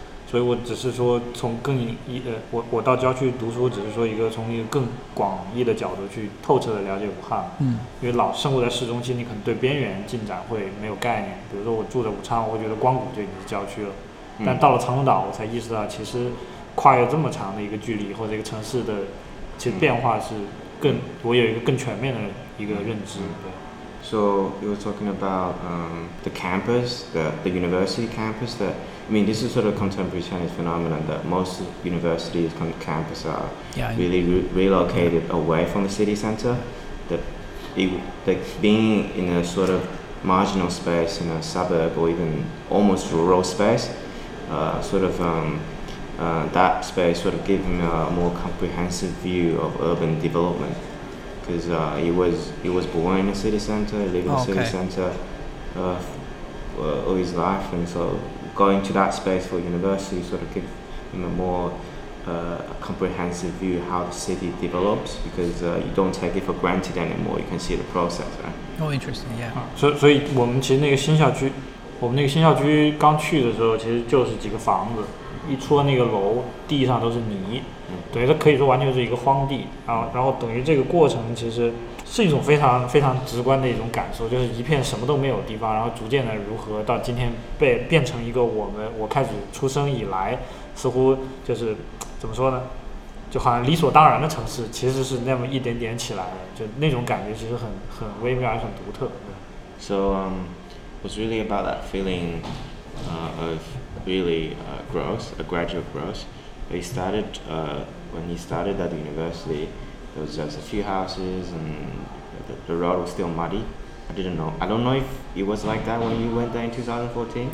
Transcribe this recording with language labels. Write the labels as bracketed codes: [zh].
[zh] 所以我只是说从更我到郊区读书只是说一个从一个更广义的角度去透彻的了解武汉，因为老生活在市中心，你可能对边缘进展会没有概念，比如说我住在武昌，我觉得光谷就已经是郊区了，但到了长岛我才意识到其实跨越这么长的一个距离或者一个城市的其实变化是更我有一个更全面的一个认知。对， [en] So you were talking about the campus, the university campus that, I mean, this is sort of a contemporary Chinese phenomenon that most universities and campus are really relocated away from the city center. That being in a sort of marginal space in a suburb or even almost rural space, that space sort of gave him a more comprehensive view of urban development. Because he was born in a city center, lived in a city center all his life, and so going to that space for university sort of gave him a more comprehensive view of how the city develops, because you don't take it for granted anymore, you can see the process, right? Oh, interesting, yeah. [zh] 所以我们其实那个新校区，我们那个新校区刚去的时候其实就是几个房子，一出了那个楼地上都是泥，等于它可以说完全是一个荒地啊。然后等于这个过程其实是一种非常非常直观的一种感受，就是一片什么都没有地方，然后逐渐的如何到今天变成一个我开始出生以来似乎就是怎么说呢，就好像理所当然的城市，其实是那么一点点起来的，就那种感觉其实很微妙而很独特。 [en] So was really about that feeling of really growth, a gradual growth. He started, when he started at the university, there was just a few houses and the road was still muddy. I don't know if it was like that when you went there in 2014.